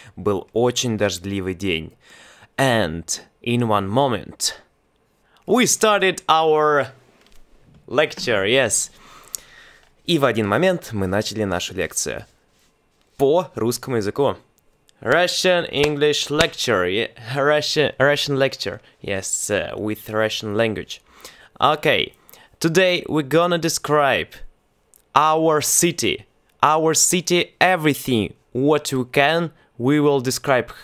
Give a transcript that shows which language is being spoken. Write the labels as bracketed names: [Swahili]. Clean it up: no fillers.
[Russian] Был очень дождливый день. [English] And in one moment, we started our lecture, yes. [Russian] И в один момент мы начали нашу лекцию по русскому языку. [English] Russian English lecture, Russian lecture, yes, with Russian language. Okay, today we're gonna describe our city. Our city, everything, what you can, we will describe.